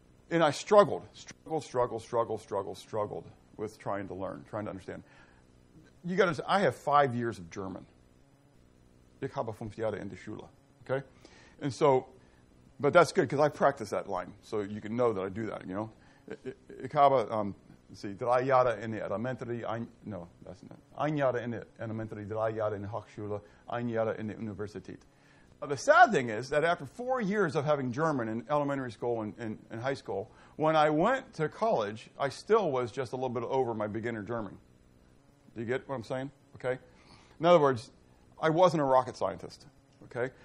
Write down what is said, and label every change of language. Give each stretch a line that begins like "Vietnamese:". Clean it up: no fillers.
English: And I struggled with trying to learn, trying to understand. You got to say, I have 5 years of German.
German: Ich habe 5 Jahre in der Schule, okay?
English: And so, but that's good because I practice that line, so you can know that I do that, you know?
German: Ich habe, drei Jahre in der Elementary, ein Jahr in der Elementary, drei Jahre in der Hochschule, ein Jahr in der Universität.
English: The sad thing is that after 4 years of having German in elementary school and high school, when I went to college, I still was just a little bit over my beginner German. Do you get what I'm saying? Okay. In other words, I wasn't a rocket scientist. Okay.